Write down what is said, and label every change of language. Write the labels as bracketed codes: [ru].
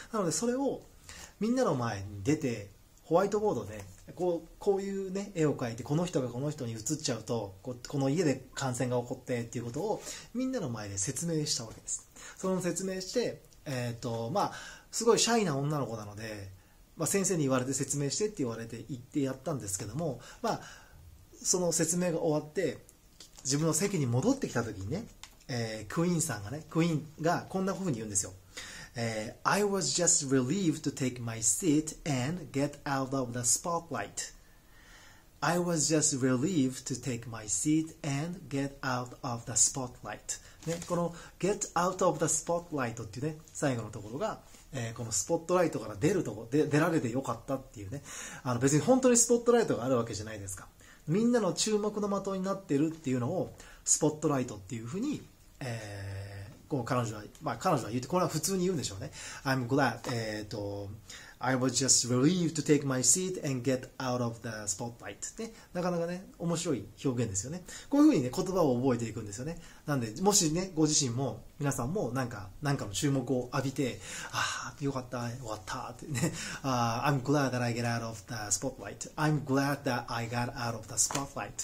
[ja] なのでそれをみんなの前に出て、ホワイトボードでこういう、ね、絵を描いて、この人がこの人に移っちゃうと この家で感染が起こってっていうことをみんなの前で説明したわけです。その説明して、まあすごいシャイな女の子なので、まあ、先生に言われて説明してって言われて行ってやったんですけども、まあ、その説明が終わって自分の席に戻ってきた時にね、クイーンさんがね、クイーンがこんな風に言うんですよ。 [en] I was just relieved to take my seat and get out of the spotlight. I was just relieved to take my seat and get out of the spotlight.、 [ja] ね、この [en] get out of the spotlight [ja] っていうね、最後のところが、このスポットライトから出るとこ、出られてよかったっていうね。あの別に本当にスポットライトがあるわけじゃないですか。みんなの注目の的になってるっていうのをスポットライトっていうふうに、こう彼女は、まあ彼女は言って、これは普通に言うんでしょうね。 [en] I'm glad, I was just relieved to take my seat and get out of the spotlight. [ja] ね、なかなかね、面白い表現ですよね。こういうふうにね、言葉を覚えていくんですよね。なんで、もしね、ご自身も、皆さんもなんかの注目を浴びて、ああ、よかった、終わった、ってね、 [en] I'm glad that I get out of the spotlight. I'm glad that I got out of the spotlight.